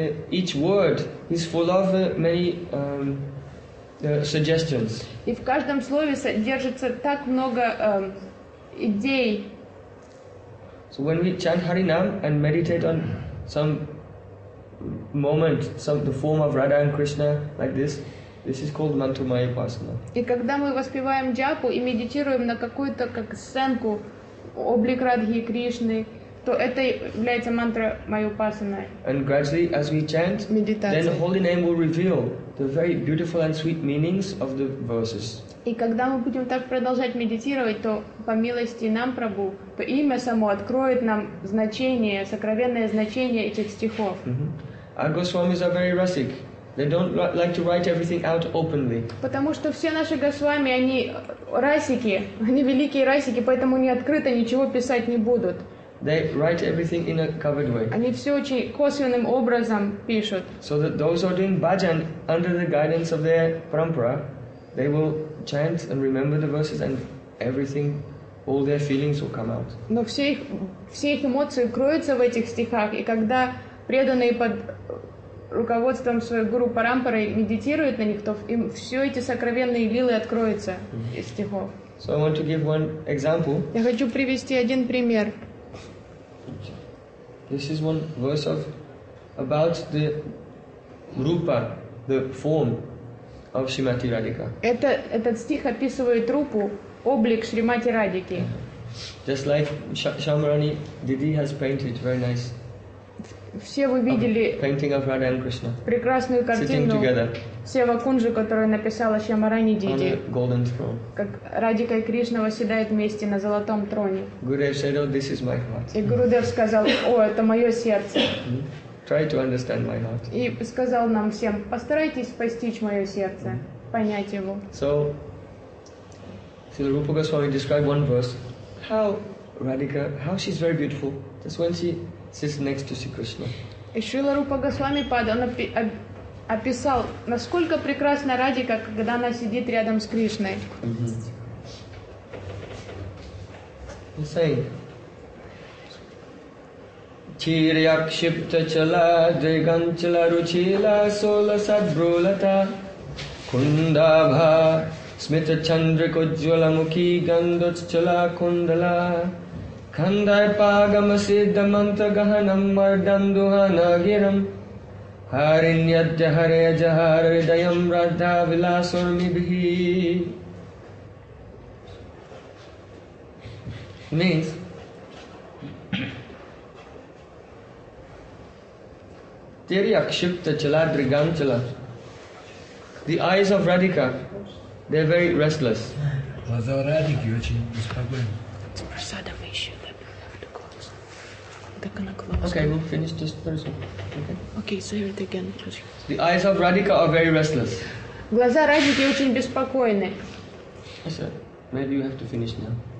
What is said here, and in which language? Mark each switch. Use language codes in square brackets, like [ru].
[en] Each word is full of many suggestions. [ru] И в каждом слове содержится так много идей. [en] So when we chant Harinam and meditate on some moment, the form of Radha and Krishna, like this. This is called Mantramaya Upasana. [ru] И когда мы воспеваем джапу и медитируем на какую-то как сценку облик Радхи и Кришны, то это является Mantramaya Upasana. [en] And gradually, as we chant, then the holy name will reveal the very beautiful and sweet meanings of the verses. [ru] И когда мы будем так продолжать медитировать, то по милости нам, Прабху, то имя само откроет нам значение, сокровенное значение этих стихов. [en] Our Goswamis are very rustic. They don't like to write everything out openly. [ru] Потому что все наши Госвами, они расики, они великие расики, поэтому не открыто ничего писать не будут. [en] They write everything in a covered way. [ru] Они все очень косвенным образом пишут. [en] So that those who are doing bhajan under the guidance of their parampara, they will chant and remember the verses, and everything, all their feelings will come out. [ru] Но все их эмоции кроются в этих стихах, и когда преданные под руководством своего гуру парампары медитируют на них, то им все эти сокровенные лилы откроются из стихов. [en] So I want to give one example. [ru] Я хочу привести один пример. [en] This is one verse of about the rupa, the form. Of Shrimati Radhika. [ru] Этот стих описывает рупу, облик Шримати Радики. [en] Just like Shyamarani Didi has painted very nice. [ru] Все вы видели [en] painting of Radha and Krishna. [ru] Прекрасную картину Сева Кунджи, которую написала Шьямарани Диди. [en] Golden throne. [ru] Как Радика и Кришна восседают вместе на золотом троне. [en] Gurudev said, "Oh, this is my heart." [ru] И Гурудев сказал, "О, это мое сердце." [en] Try to understand my heart. [ru] И сказал нам всем: постарайтесь постичь мое сердце, понять его. [en] So, Srila Rupa Goswami described one verse. How Radhika, how she's very beautiful, just when she sits next to Sri Krishna. [ru] И Srila Rupa Goswami описал, насколько прекрасна Радика, когда она сидит рядом с Кришной. [en] He's saying. [sa] Chiryakshipta chala jaganchala ruchila sola sadrulata kundabha smita chandra kujwala mukhi gandoch chala kundala khandai pagam siddha mantra gahanam mardam duhana giram Harinyatya hare jahar vidayam radha vilasur mibhi. Means, Teri akshipta chala drigam chala. [en] The eyes of Radhika, they're very restless. [ru] Глаза Радики очень беспокойны. [en] It's prasadam issue that we have to close. [ru] Так она [en] closed. Okay, we'll finish this first one. Okay, so here it again. The eyes of Radhika are very restless. [ru] Глаза Радики очень беспокойны. [en] I said, maybe you have to finish now.